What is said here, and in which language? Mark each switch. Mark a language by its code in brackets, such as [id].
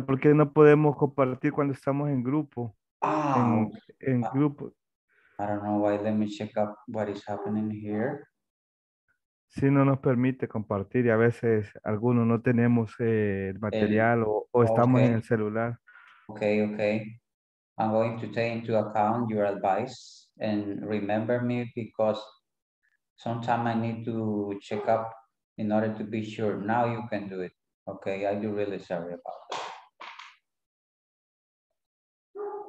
[es] ¿Por qué no podemos compartir cuando estamos en grupo? [en] I don't know why. Let me check up what is happening here. [es] Si no nos permite compartir y a veces algunos no tenemos el material o estamos en el celular. [en] Okay. I'm going to take into account your advice and remember me because sometimes I need to check up in order to be sure. Now you can do it. Okay, I do really sorry about that.